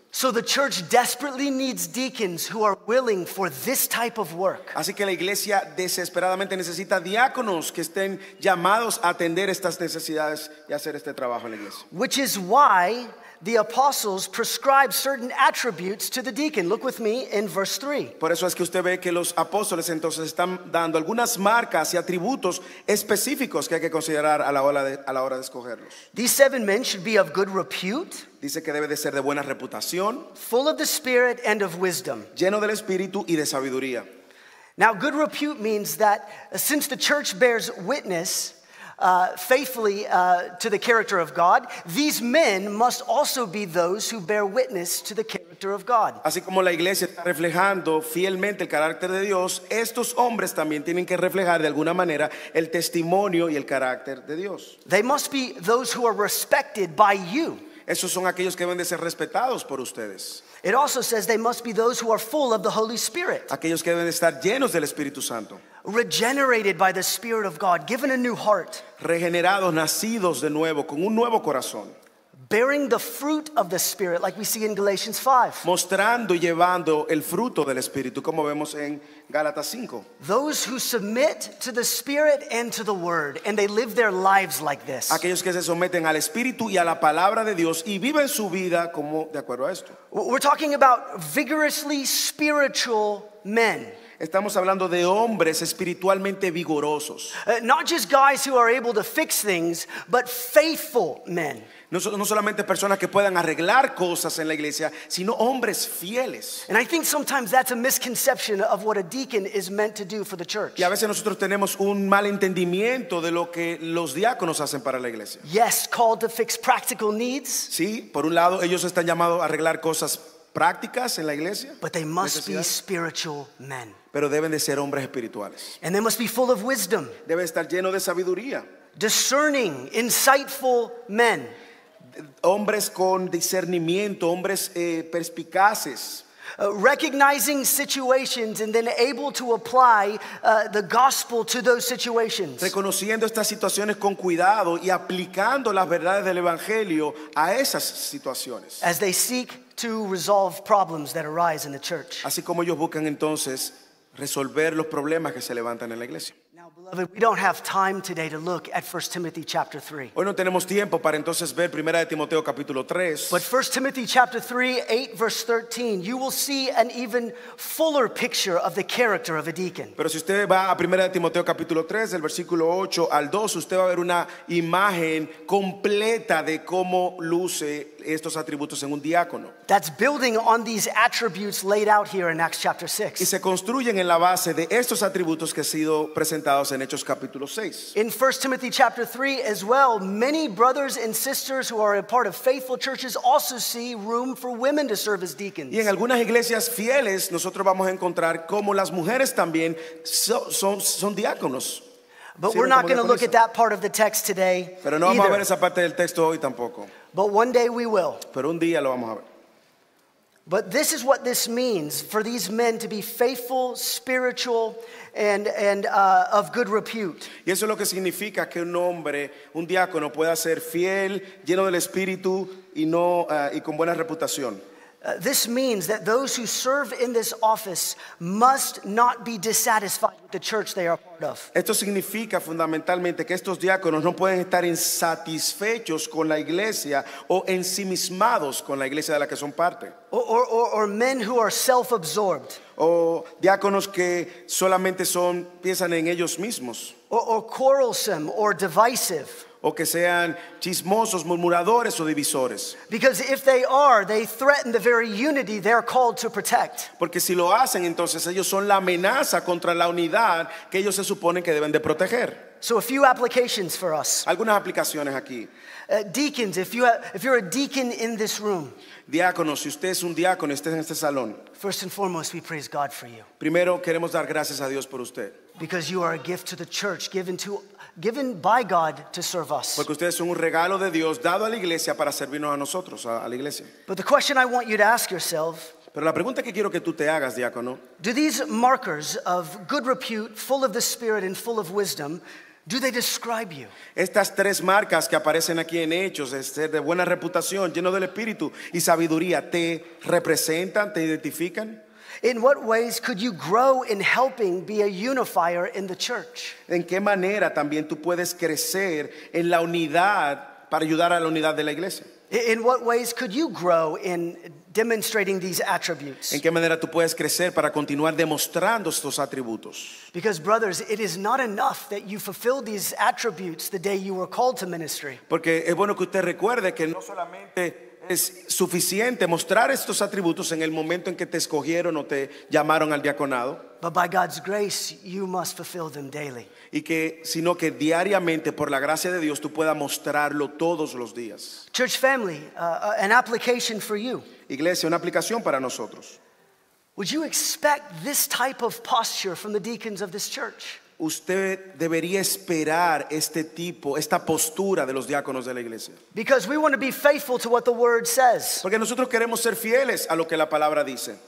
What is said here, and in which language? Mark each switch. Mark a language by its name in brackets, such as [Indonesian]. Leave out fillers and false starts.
[English] So the church desperately needs deacons who are willing for this type of work. [Spanish] Así que la iglesia desesperadamente necesita diáconos que estén llamados a atender estas necesidades y hacer este trabajo en la iglesia. [English] Which is why the apostles prescribe certain attributes to the deacon. Look with me in verse 3. [Spanish] Por eso es que usted ve que los apóstoles entonces están dando algunas marcas y atributos específicos que hay que considerar a la hora de escogerlos. [English] These seven men should be of good repute. [Spanish] Dice que debe de ser de buena reputación. [English] Full of the spirit and of wisdom. [Spanish] Lleno del espíritu y de sabiduría. [English] Now, good repute means that since the church bears witness faithfully to the character of God, these men must also be those who bear witness to the character of God. [Spanish] Así como la iglesia está reflejando fielmente el carácter de Dios, estos hombres también tienen que reflejar de alguna manera el testimonio y el carácter de Dios. [English] They must be those who are respected by you. [Spanish] Esos son aquellos que deben de ser respetados por ustedes. [English] It also says they must be those who are full of the Holy Spirit. [Spanish] Aquellos que deben de estar llenos del Espíritu Santo. [English] Regenerated by the Spirit of God, given a new heart. [Spanish] Regenerados, nacidos de nuevo, con un nuevo corazón. [English] Bearing the fruit of the Spirit, like we see in Galatians 5. [Spanish] Mostrando y llevando el fruto del Espíritu, como vemos en Gálatas 5. [English] Those who submit to the Spirit and to the Word, and they live their lives like this. [Spanish] Aquellos que se someten al Espíritu y a la Palabra de Dios, y viven su vida como de acuerdo a esto. [English] We're talking about vigorously spiritual men. [Spanish] Estamos hablando de hombres espiritualmente vigorosos. [English] Not just guys who are able to fix things, but faithful men. [Spanish] No solamente personas que puedan arreglar cosas en la iglesia, sino hombres fieles. [English] And I think sometimes that's a misconception of what a deacon is meant to do for the church. [Spanish] Y a veces nosotros tenemos un mal entendimiento de lo que los diáconos hacen para la iglesia. [English] Yes, called to fix practical needs. [Spanish] Sí, por un lado ellos están llamados a arreglar cosas prácticas en la iglesia. [English] But they must be spiritual men. [Spanish] Pero deben de ser hombres espirituales. [English] And they must be full of wisdom. [Spanish] Deben estar llenos de sabiduría. [English] Discerning, insightful men. [Spanish] Hombres con discernimiento, hombres perspicaces. [English] Recognizing situations and then able to apply the gospel to those situations. [Spanish] Reconociendo estas situaciones con cuidado y aplicando las verdades del evangelio a esas situaciones. [English] As they seek to resolve problems that arise in the church. [Spanish] Así como ellos buscan entonces resolver los problemas que se levantan en la iglesia. [English] Now, beloved, Beloved, we don't have time today to look at 1 Timothy chapter 3. [Spanish] Hoy no tenemos tiempo para entonces ver Primera de Timoteo capítulo 3. [English] But 1 Timothy chapter 3, 8 verse 13, you will see an even fuller picture of the character of a deacon. [Spanish] Pero si usted va a Primera de Timoteo capítulo 3, del versículo 8 al 2, usted va a ver una imagen completa de cómo luce estos atributos en un diácono. [English] That's building on these attributes laid out here in Acts chapter 6. [Spanish] Y se construyen en la base de estos atributos que han sido presentados en Hechos capítulo 6. [English] In 1 Timothy chapter 3 as well, many brothers and sisters who are a part of faithful churches also see room for women to serve as deacons. [Spanish] Y en algunas iglesias fieles nosotros vamos a encontrar cómo las mujeres también son diáconos. [English] But we're not going to look at that part of the text today. [Spanish] Pero no vamos a ver esa parte del texto hoy tampoco. [English] But one day we will. [Spanish] Pero un día lo vamos a ver. [English] But this is what this means for these men to be faithful, spiritual, and of good repute. [Spanish] Y eso es lo que significa que un hombre, un diácono, pueda ser fiel, lleno del espíritu y no y con buena reputación. [English] This means that those who serve in this office must not be dissatisfied with the church they are part of. [Spanish] Esto significa fundamentalmente que estos diáconos no pueden estar insatisfechos con la iglesia o ensimismados con la iglesia de la que son parte. [English] Or men who are self-absorbed. [Spanish] O diáconos que solamente son piensan en ellos mismos. [English] Or quarrelsome or divisive. [Spanish] O que sean chismosos, murmuradores o divisores. [English] Because if they are, they threaten the very unity they're called to protect. [Spanish] Porque si lo hacen, entonces ellos son la amenaza contra la unidad que ellos se suponen que deben de proteger. [English] So a few applications for us. [Spanish] Algunas aplicaciones aquí. [English] Deacons, if you're a deacon in this room. [Spanish] Diácono, si usted es un diácono, esté en este salón. [English] First and foremost, we praise God for you. [Spanish] Primero queremos dar gracias a Dios por usted. [English] Because you are a gift to the church, given by God to serve us. [Spanish] Porque ustedes son un regalo de Dios dado a la iglesia para servirnos a nosotros, a la iglesia. [English] But the question I want you to ask yourself. [Spanish] Pero la pregunta que quiero que tú te hagas, diácono. [English] Do these markers of good repute, full of the Spirit and full of wisdom, do they describe you? [Spanish] Estas tres marcas que aparecen aquí en Hechos, ser de buena reputación, lleno del Espíritu y sabiduría, ¿te representan, te identifican? [English] In what ways could you grow in helping be a unifier in the church? [Spanish] ¿En qué manera también tú puedes crecer en la unidad para ayudar a la unidad de la iglesia? [English] In what ways could you grow in demonstrating these attributes? [Spanish] ¿En qué manera tú puedes crecer para continuar demostrando estos atributos? [English] Because brothers, it is not enough that you fulfill these attributes the day you were called to ministry. [Spanish] Porque es bueno que usted recuerde que no solamente es suficiente mostrar estos atributos en el momento en que te escogieron o te llamaron al diaconado. [English] But by God's grace, you must fulfill them daily. [Spanish] Y que, sino que diariamente, por la gracia de Dios, tú puedas mostrarlo todos los días. [English] Church family, an application for you. [Spanish] Iglesia, una aplicación para nosotros. [English] Would you expect this type of posture from the deacons of this church? [Spanish] Usted debería esperar este tipo, esta postura de los diáconos de la iglesia. [English] Because we want to be faithful to what the word says. [Spanish] Porque nosotros queremos ser fieles a lo que la palabra dice.